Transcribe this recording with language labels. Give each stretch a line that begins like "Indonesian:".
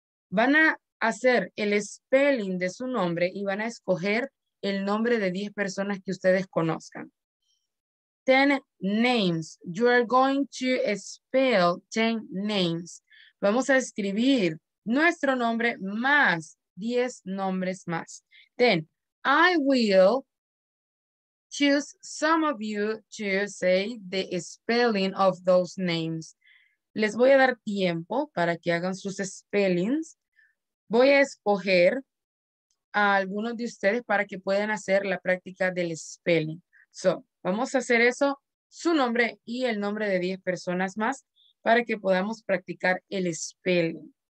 Spanish: Van a hacer el spelling de su nombre y van a escoger el nombre de 10 personas que ustedes conozcan.
English: 10 names. You are going to spell 10 names.
Spanish: Vamos a escribir nuestro nombre más 10 nombres más.
English: Then, I will choose some of you to say the spelling of those names.
Spanish: Les voy a dar tiempo para que hagan sus spellings. Voy a escoger a algunos de ustedes para que puedan hacer la práctica del spelling. So, vamos a hacer eso, su nombre y el nombre de 10 personas más para que podamos practicar el spelling.